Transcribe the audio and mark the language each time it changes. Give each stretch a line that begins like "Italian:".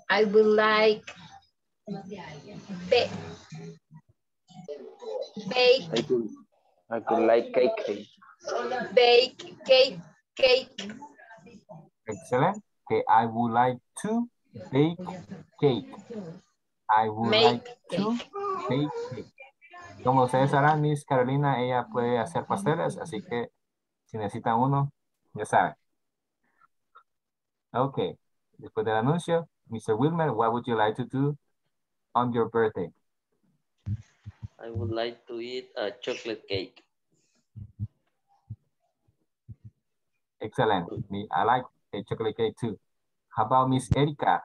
English: I would like cake. Bake cake. Excellent. Okay, I would like to bake cake. I would make like cake. To bake cake.
Spanish: Como ustedes sabrán, Miss Carolina, ella puede hacer pasteles, así que si necesitan uno, ya saben. Ok, después del anuncio, Mr.
English: Wilmer, what would you like to do on your birthday? I would like to eat a chocolate cake. Excellent. Me, I like a chocolate cake too. How about Miss Erica?